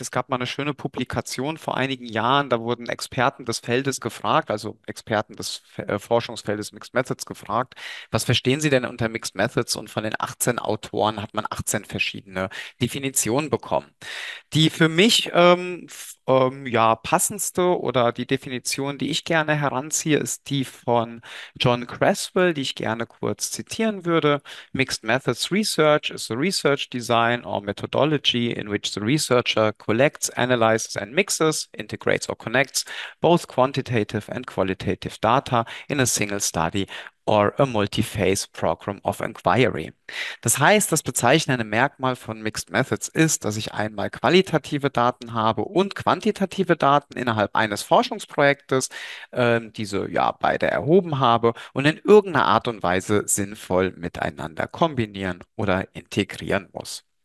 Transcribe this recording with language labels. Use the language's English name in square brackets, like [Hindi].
[German] Es gab mal eine schöne Publikation vor einigen Jahren, da wurden Experten des Feldes gefragt, also Experten des Forschungsfeldes Mixed Methods gefragt, was verstehen Sie denn unter Mixed Methods? Und von den 18 Autoren hat man 18 verschiedene Definitionen bekommen. Die für mich ja, passendste oder die Definition, die ich gerne heranziehe, ist die von John Creswell, die ich gerne kurz zitieren würde. [English] Mixed Methods Research is the research design or methodology in which the researcher collects, analyzes and mixes, integrates or connects both quantitative and qualitative data in a single study or a multi-phase program of inquiry. [German] Das heißt, das bezeichnende Merkmal von Mixed Methods ist, dass ich einmal qualitative Daten habe und quantitative Daten innerhalb eines Forschungsprojektes, diese ja beide erhoben habe und in irgendeiner Art und Weise sinnvoll miteinander kombinieren oder integrieren muss.